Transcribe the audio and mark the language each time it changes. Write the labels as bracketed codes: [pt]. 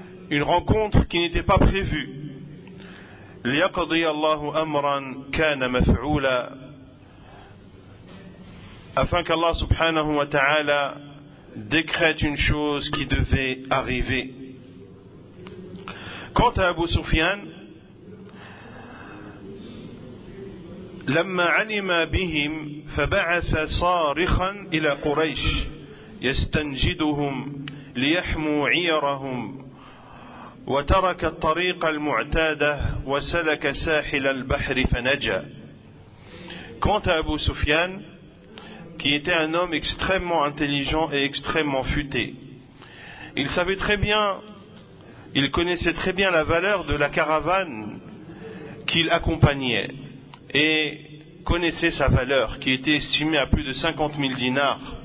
[fr] Une rencontre qui n'était pas prévue. [ar] لِيَقَضِيَ اللَّهُ أَمْرًا كَانَ مَفْعُولًا [fr] afin qu'Allah subhanahu wa ta'ala décrète une chose qui devait arriver. Quant à Abu Sufyan, [ar] لَمَّا عَلِمَ بِهِمْ فَبَعَثَ صَارِخًا إِلَى قُرَيْشِ يَسْتَنْجِدُهُمْ لِيَحْمُوا عِيَرَهُمْ وترك الطريق المعتادة وسلك ساحل البحر فنجا. [fr] Quant à Abu Sufyan, qui était un homme extrêmement intelligent et extrêmement futé, il savait très bien, il connaissait très bien la valeur de la caravane qu'il accompagnait et connaissait sa valeur, qui était estimée à plus de 50 000 dinars.